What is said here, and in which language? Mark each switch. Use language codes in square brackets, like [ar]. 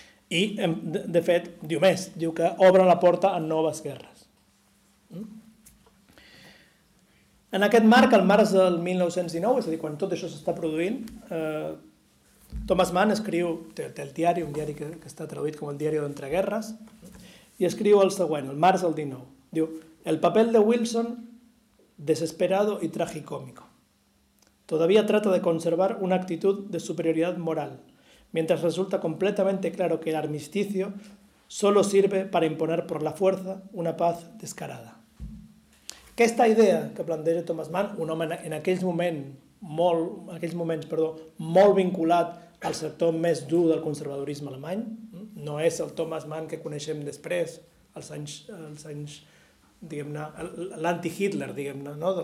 [ca] I, de fet, diu més, diu que obre la porta a noves guerres. En aquest marc, el març del 1919, és a dir, quan tot això s'està produint, Thomas Mann escriu, té el diari, un diari que està traduït com el diari d'entreguerres, i escriu el següent, el març del 19. [es] Diu, el papel de Wilson, desesperado y tragicómico. Todavía trata de conservar una actitud de superioridad moral, mientras resulta completamente claro que el armisticio solo sirve para imponer por la fuerza una paz descarada. [ca] Aquesta idea que planteja Thomas Mann, un home en aquells moments, molt vinculat al sector més dur del conservadorisme alemany, no és el Thomas Mann que coneixem després, els anys diguem-ne, l'anti-Hitler, diguem-ne, no?